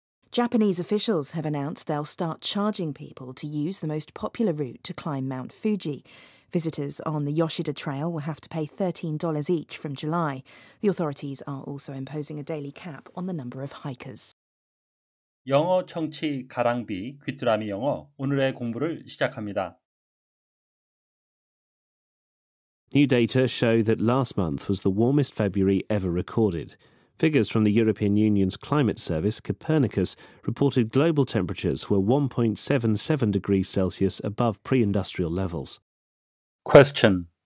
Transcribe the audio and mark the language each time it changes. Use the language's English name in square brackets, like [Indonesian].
[English] Japanese officials have announced they'll start charging people to use the most popular route to climb Mount Fuji. Visitors on the Yoshida Trail will have to pay $13 each from July. The authorities are also imposing a daily cap on the number of hikers. [Korean] 영어 청취 가랑비 귀뚜라미 영어 오늘의 공부를 시작합니다. [English] New data show that last month was the warmest February ever recorded. Figures from the European Union's climate service, Copernicus, reported global temperatures were 1.77 degrees Celsius above pre-industrial levels. Question.